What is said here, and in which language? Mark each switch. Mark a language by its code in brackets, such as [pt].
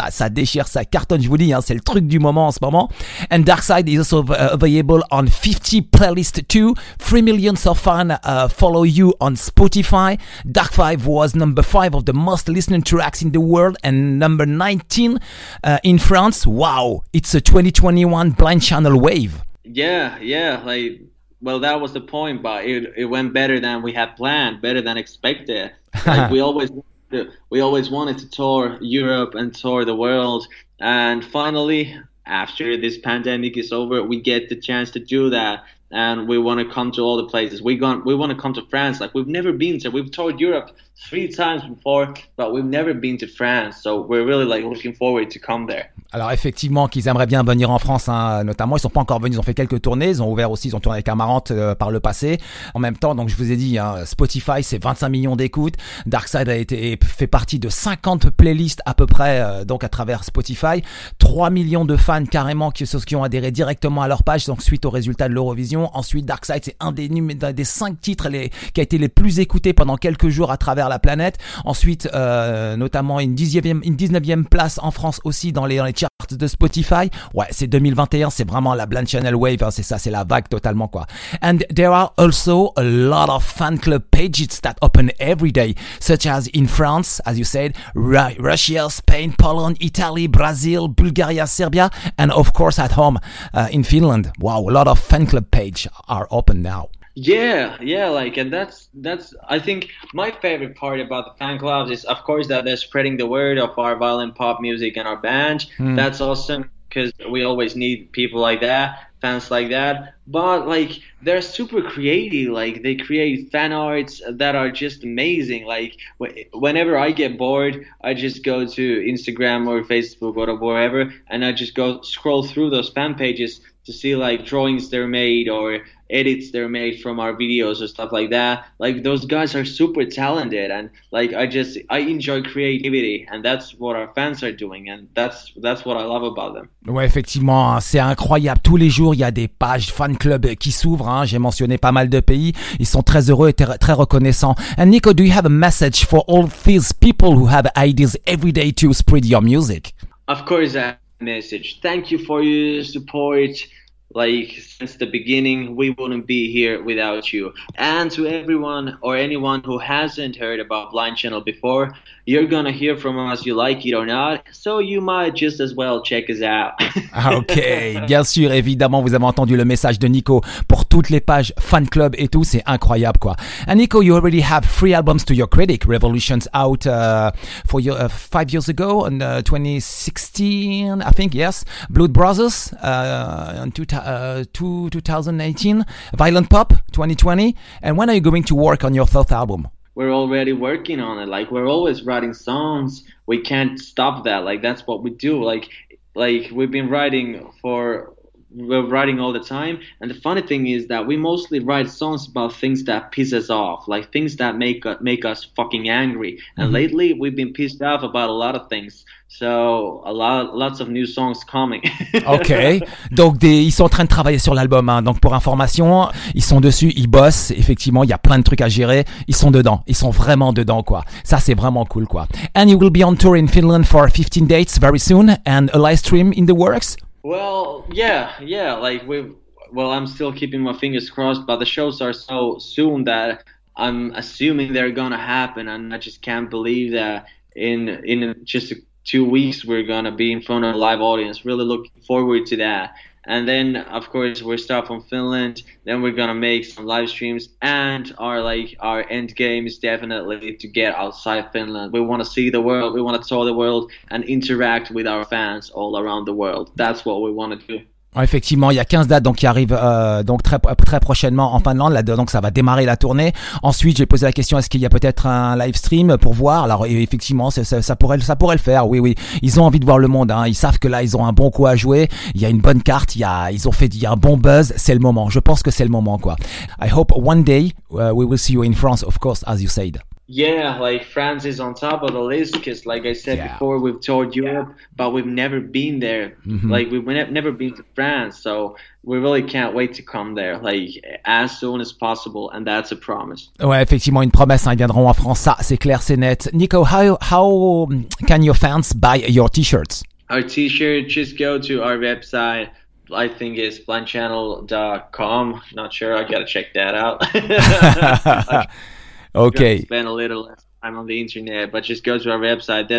[fr] Ça déchire, ça cartonne, je vous dis, hein, c'est le truc du moment en ce moment. [en] And Darkside is also available on 50 playlists too. 3 million of fans follow you on Spotify. Dark 5 was number 5 of the most listened tracks in the world and number 19 in France. Wow, it's a 2021 Blind Channel wave. Yeah, like, well, that was the point, but it went better than we had planned, better than expected. Like, we always wanted to tour Europe and tour the world, and finally, after this pandemic is over, we get the chance to do that, and we want to come to all the places. We want to come to France. Like, we've never been to. We've toured Europe 3 times before, but we've never been to France, so we're really like looking forward to come there. [fr] Alors effectivement qu'ils aimeraient bien venir en France, hein, notamment, ils sont pas encore venus, ils ont fait quelques tournées, ils ont tourné avec Amarante par le passé. En même temps, donc je vous ai dit, hein, Spotify c'est 25 millions d'écoutes, Darkside fait partie de 50 playlists à peu près, donc à travers Spotify, 3 millions de fans carrément qui ont adhéré directement à leur page, donc suite aux résultats de l'Eurovision. millions. Ensuite, Dark Side, c'est un des 5 titres qui a été les plus écoutés pendant quelques jours à travers la planète. Ensuite, notamment une 19e place en France aussi dans les charts de Spotify. Ouais, c'est 2021, c'est vraiment la Blind Channel Wave, hein, c'est ça, c'est la vague totalement, quoi. [en] And there are also a lot of fan club pages that open every day, such as in France, as you said, Russia, Spain, Poland, Italy, Brazil, Bulgaria, Serbia, and of course at home in Finland. Wow, a lot of fan club pages are open now. Yeah, like, and that's I think my favorite part about the fan clubs is, of course, that they're spreading the word of our violent pop music and our band. That's awesome, because we always need people like that, fans like that. But like, they're super creative, like they create fan arts that are just amazing. Like whenever I get bored, I just go to Instagram or Facebook or wherever, and I just go scroll through those fan pages to see like drawings they're made or edits they're made from our videos or stuff like that. Like, those guys are super talented, and like I enjoy creativity, and that's what our fans are doing, and that's what I love about them. [fr] Ouais, effectivement, c'est incroyable. Tous les jours, il y a des pages fan club qui s'ouvrent, hein. J'ai mentionné pas mal de pays. Ils sont très heureux et très reconnaissants. [en] And Nico, do you have a message for all these people who have ideas every day to spread your music? Of course, I have a message. Thank you for your support. Like, since the beginning, we wouldn't be here without you. And to everyone or anyone who hasn't heard about Blind Channel before, you're gonna hear from us, you like it or not, so you might just as well check us out. [fr] Ok, bien sûr, évidemment, vous avez entendu le message de Nico pour toutes les pages fan club et tout, c'est incroyable, quoi. [en] And Nico, you already have 3 albums to your credit. Revolutions out 5 years ago, in 2016, I think, yes. Blood Brothers, in 2018, Violent Pop 2020. And when are you going to work on your 3rd album? We're already working on it. Like, we're always writing songs. We can't stop that. Like, that's what we do. Like we're writing all the time. And the funny thing is that we mostly write songs about things that piss us off, like things that make us fucking angry. And lately we've been pissed off about a lot of things. So lots of new songs coming. [fr] Ok, donc ils sont en train de travailler sur l'album, hein. Donc pour information, ils sont dessus, ils bossent. Effectivement, il y a plein de trucs à gérer. Ils sont dedans, ils sont vraiment dedans, quoi. Ça, c'est vraiment cool, quoi. [en] And you will be on tour in Finland for 15 dates very soon, and a live stream in the works. Well, yeah, like I'm still keeping my fingers crossed, but the shows are so soon that I'm assuming they're gonna happen, and I just can't believe that in just 2 weeks we're gonna be in front of a live audience. Really looking forward to that. And then, of course, we're starting from Finland. Then we're gonna make some live streams. And our end game is definitely to get outside Finland. We want to see the world. We want to tour the world and interact with our fans all around the world. That's what we want to do. [fr] Effectivement, il y a 15 dates donc qui arrivent donc très très prochainement en Finlande, là donc ça va démarrer la tournée. Ensuite, j'ai posé la question, est-ce qu'il y a peut-être un live stream pour voir? Alors effectivement, ça pourrait le faire. Oui, ils ont envie de voir le monde, hein. Ils savent que là ils ont un bon coup à jouer, il y a une bonne carte, il y a un bon buzz, c'est le moment. Je pense que c'est le moment, quoi. [en] I hope one day we will see you in France, of course, as you said. Yeah, like, France is on top of the list, because like I said before, we've toured Europe, but we've never been there. Like, we've never been to France, so we really can't wait to come there, like, as soon as possible, and that's a promise. [fr] Ouais, effectivement, une promesse, hein, ils viendront en France, ça, c'est clair, c'est net. [en] Nico, how can your fans buy your t-shirts? Our t-shirt, just go to our website. I think it's blindchannel.com. Not sure, I gotta check that out. Okay. Spend a little less time on the internet, but just go to our website.